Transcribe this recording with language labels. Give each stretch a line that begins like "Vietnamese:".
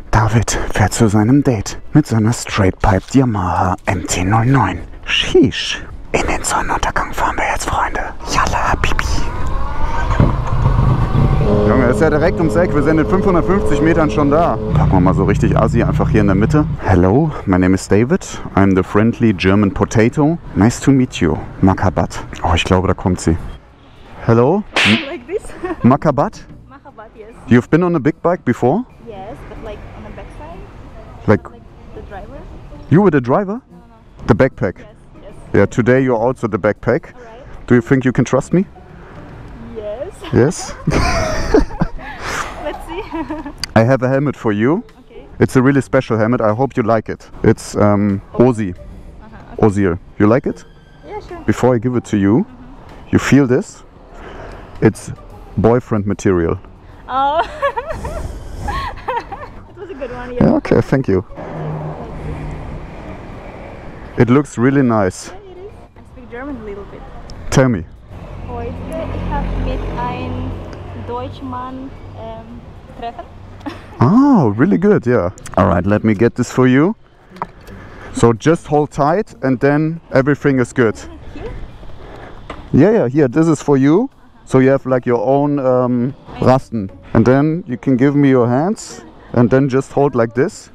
German: David fährt zu seinem Date mit seiner Straight Pipe Yamaha MT-09. Sheesh. In den Sonnenuntergang fahren wir jetzt, Freunde. Yalla, Bibi. Junge, ist ja direkt ums Eck. Wir sind in 550 Metern schon da. Packen wir mal so richtig assi einfach hier in der Mitte.
English: Hello, my name is David. I'm the friendly German potato. Nice to meet you, Makabat.
German: Oh, ich glaube, da kommt sie.
English: Hello? Like this? Makabat? Makabat, yes. You've been on a big bike before? Yes, but like on the back side. Like the driver? You were the driver? No. The backpack? Yes. Yeah, today you're also the backpack. All right. Do you think you can trust me? Yes. Yes? Let's see. I have a helmet for you. Okay. It's a really special helmet. I hope you like it. It's Ozzy. Uh-huh, okay. Ozzy. You like it? Yeah, sure. Before I give it to you, mm-hmm. You feel this? It's boyfriend material. Oh, that was a good one. Yeah. Yeah, okay, thank you. It looks really nice. Yeah, it is. I speak German a little bit. Tell me.
German: Heute ich habe mit ein Deutschmann treffen.
English: Oh, really good. Yeah. All right, let me get this for you. So just hold tight, and then everything is good. Here? Yeah, yeah. Here, this is for you. So you have like your own rasten. And then you can give me your hands and then just hold like this.